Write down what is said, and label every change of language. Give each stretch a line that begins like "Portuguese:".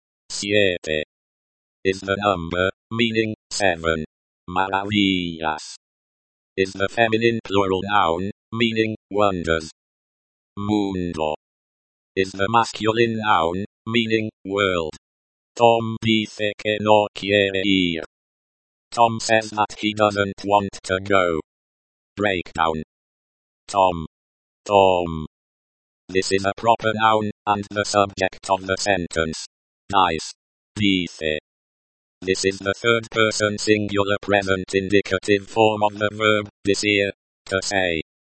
English: Siete is the number, meaning seven. Maravillas is the feminine plural noun, meaning wonders. Mundo is the masculine noun, meaning world.
Spanish: Tom dice que no quiere ir.
English: Tom says that he doesn't want to go. Breakdown. Tom. Tom. This is a proper noun, and the subject of the sentence. Dice. Dice. This is the third person singular present indicative form of the verb, decir, to say.